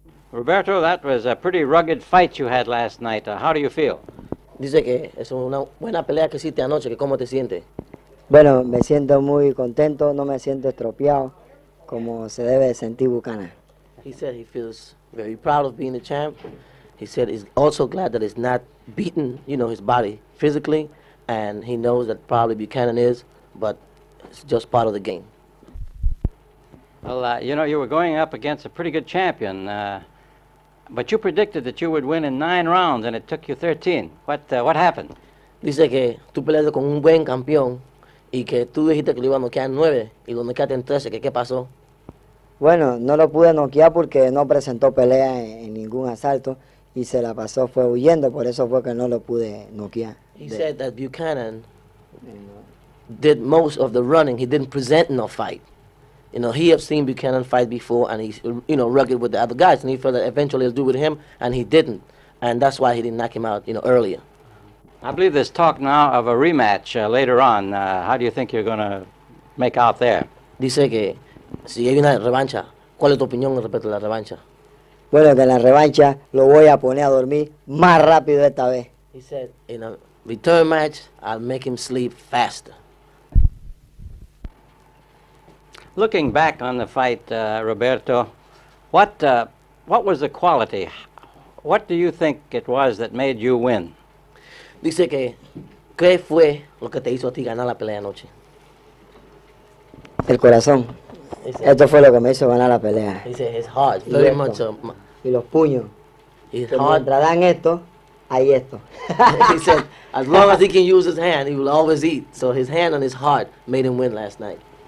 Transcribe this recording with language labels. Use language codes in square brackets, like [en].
[en] Roberto, that was a pretty rugged fight you had last night. How do you feel? [es] Dice que es una buena pelea que hiciste anoche. ¿Cómo te sientes? Bueno, me siento muy contento. No me siento estropeado como se debe sentir Buchanan. [en] He said he feels very proud of being the champ. He said he's also glad that he's not beaten, you know, his body physically. And he knows that probably Buchanan is, but it's just part of the game. Well, you know, you were going up against a pretty good champion, but you predicted that you would win in 9 rounds, and it took you 13. What happened? [es] Dice que tú peleaste con un buen campeón, y que tú dijiste que lo iba a noquear 9, y lo noqueaste en 13. ¿Qué pasó? Bueno, no lo pude noquear porque no presentó pelea en ningún asalto, y se la pasó, fue huyendo, por eso fue que no lo pude noquear. [en] He said that Buchanan did most of the running. He didn't present no fight. You know, he had seen Buchanan fight before, and he's, you know, rugged with the other guys, and he felt that eventually he'll do with him, and he didn't. And that's why he didn't knock him out, you know, earlier. I believe there's talk now of a rematch later on. How do you think you're going to make out there? [es] Dice que si hay una revancha, ¿cuál es tu opinión respecto a la revancha? Bueno, que la revancha lo voy a poner a dormir más rápido esta vez. [en] He said, in a return match, I'll make him sleep faster. Looking back on the fight, Roberto, what was the quality? What do you think it was that made you win? [es] Dice que, ¿qué fue lo que te hizo a ti ganar la pelea anoche? El corazón. Esto fue lo que me hizo ganar la pelea. Dice, [en] his heart. Y, very much [es] y los puños. [en] His heart. [es] Mientras dan esto, hay esto. [en] He said, as long as he can use his hand, he will always eat. So his hand and his heart made him win last night.